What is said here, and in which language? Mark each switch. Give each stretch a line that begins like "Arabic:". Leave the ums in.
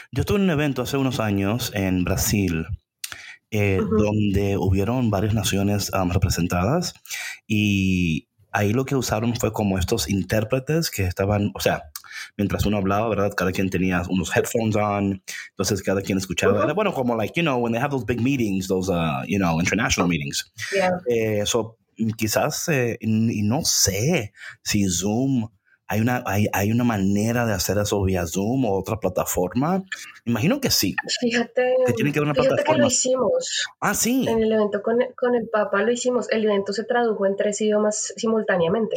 Spanish: Yo estuve en un evento hace unos años en Brasil, eh, Ujú. donde hubieron varias naciones um, representadas y ahí lo que usaron fue como estos intérpretes que estaban, o sea, mientras uno hablaba, ¿verdad? Cada quien tenía unos
English: headphones on,
Spanish: entonces cada quien escuchaba. Ujú. Era bueno, como
English: like, you know, when they have those big meetings, those, uh, you know, international meetings. Yeah.
Spanish: Eh, so, quizás, eh, y y no sé si Zoom ¿Hay una, hay, hay una manera de hacer eso vía Zoom o otra plataforma? Imagino que sí. Fíjate, Que tiene que haber una fíjate que plataforma. lo hicimos. Ah, sí. En el evento con, con el Papa lo hicimos. El evento se tradujo en tres idiomas simultáneamente.